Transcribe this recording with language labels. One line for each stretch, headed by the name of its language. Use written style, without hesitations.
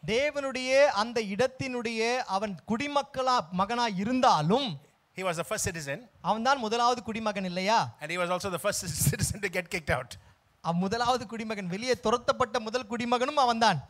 Tamil: தேவனுடைய அந்த இடத்தினுடைய அவன் குடிமக்களா மகனா இருந்தாலும்,
English: he was the first citizen.
Tamil: அவன் தான் முதலாவது குடிமகன் இல்லையா?
English: And he was also the first citizen to get kicked out.
Tamil: முதலாவது குடிமகன், வெளியே துரத்தப்பட்ட முதல் குடிமகனும் அவன்தான்.